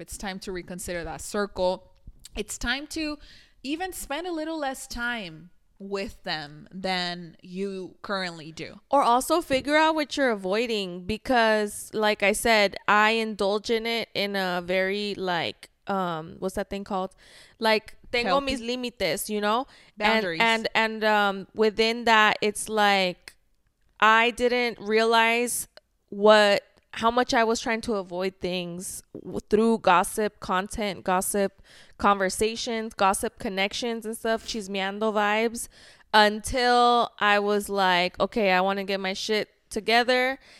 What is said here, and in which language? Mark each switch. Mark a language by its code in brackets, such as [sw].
[en] It's time to reconsider that circle. It's time to even spend a little less time with them than you currently do. Or also figure out what you're avoiding, because like I said, I indulge in it in a very like, what's that thing called? [es] Like, tengo mis límites, [en] you know? Boundaries. And within that, it's like, I didn't realize how much I was trying to avoid things through gossip content, gossip conversations, gossip connections and stuff, chismeando vibes, until I was like, okay, I want to get my shit together.